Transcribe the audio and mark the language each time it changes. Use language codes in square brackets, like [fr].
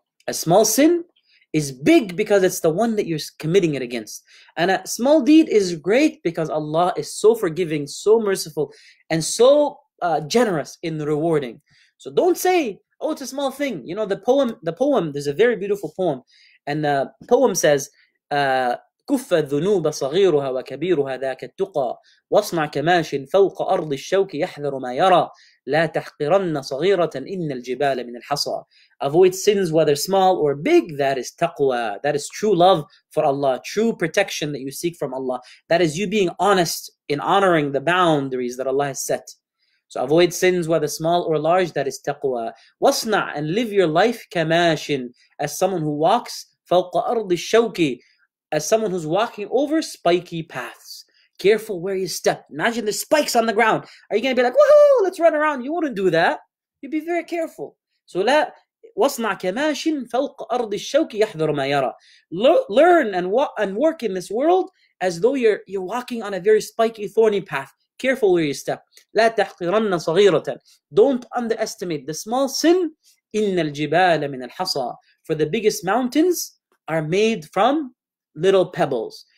[en] A small sin is big because it's the one that you're committing it against. And a small deed is great because Allah is so forgiving, so merciful, and so generous in rewarding. So don't say, oh, it's a small thing. You know, the poem, there's a very beautiful poem. And the poem says, [ar] كُفَّ الذُّنُوبَ صَغِيرُهَا وَكَبِيرُهَا ذَاكَ التُّقَى وَاصْنَعْ كَمَاشٍ فَوْقَ أَرْضِ الشَّوْكِ يَحْذَرُ مَا يَرَى لَا تَحْقِرَنَّ صَغِيرَةً إِنَّ الْجِبَالَ مِنَ الْحَصَى. [en] Avoid sins whether small or big. That is taqwa. That is true love for Allah. True protection that you seek from Allah. That is you being honest in honoring the boundaries that Allah has set. So avoid sins whether small or large. That is taqwa. [ar] وَاصْنَعْ [en] and live your life [ar] كَمَاشٍ [en] as someone who walks [ar] فَوْقَ أَرْضِ الشَّوْكِ [en] as someone who's walking over spiky paths. Careful where you step. Imagine the spikes on the ground. Are you going to be like, woohoo, let's run around? You wouldn't do that. You'd be very careful. So [ar] واصنع كماش فوق أرض الشوك يحذر ما يرى. [en] Learn and work in this world as though you're walking on a very spiky thorny path. Careful where you step. [ar] لا تحقرن صغيرة. [en] Don't underestimate the small sin. [ar] إن الجبال من الحصى. [en] For the biggest mountains are made from little pebbles.